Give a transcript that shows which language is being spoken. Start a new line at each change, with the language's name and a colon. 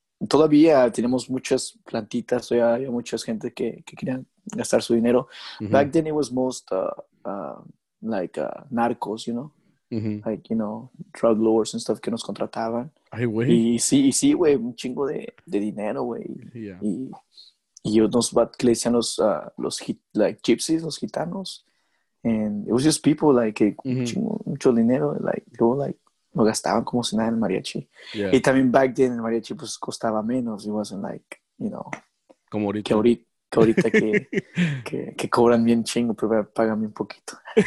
Spanish: Todavía tenemos muchas plantitas, o ya había mucha gente que querían gastar su dinero. Mm-hmm.
English: Back then it was most narcos, you know? Mm-hmm. Like, you know, drug lords and stuff
Spanish: que nos contrataban. Ay, güey. Y sí, güey, un chingo de dinero, güey.
English: Yeah.
Spanish: Y unos que le decían los
English: like gypsies,
Spanish: los gitanos.
English: And it was just people like mm-hmm.
Spanish: mucho dinero, like luego like lo gastaban como si nada en el mariachi.
English: Yeah.
Spanish: Y también
English: back then
Spanish: el mariachi pues costaba menos.
English: It wasn't like, you know,
Spanish: como ahorita. Que ahorita que cobran bien chingo, pero pagan bien poquito.